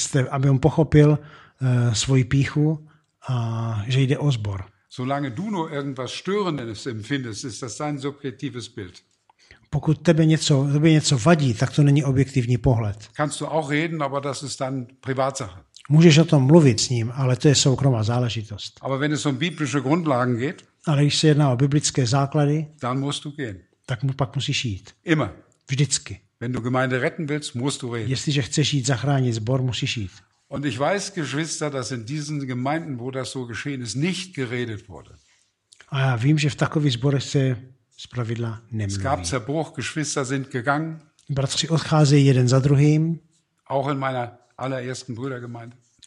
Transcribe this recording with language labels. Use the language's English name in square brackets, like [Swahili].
[Czech] Aby on pochopil svoji píchu a že jde o sbor. [German] Solange du nur irgendwas störendes empfindest, ist das dein subjektives Bild. [Czech] Pokud tebe něco vadí, tak to není objektivní pohled. [German] Kannst du auch reden, aber das ist dann Privatsache. [Czech] Můžeš o tom mluvit s ním, ale to je soukromá záležitost. [German] Aber wenn es um biblische Grundlagen geht, [Czech] ale když se jedná o biblické základy, [German] dann musst du gehen. [Czech] Tak mu pak musíš jít. [German] Immer. [Czech] Vždycky. [German] Wenn du Gemeinde retten willst, musst du reden. [Czech] Jestliže chceš jít zachránit sbor, musíš jít. [German] Und ich weiß, Geschwister, dass in diesen Gemeinden, wo das so geschehen ist, nicht geredet wurde. [Czech] A já vím, že v takových sborech se zpravidla nemluví. [German] Es gab Zerbruch, Geschwister sind gegangen. [Czech] Bratři odcházejí jeden za druhým. [German] Auch in meiner allerersten Brüdergemeinde.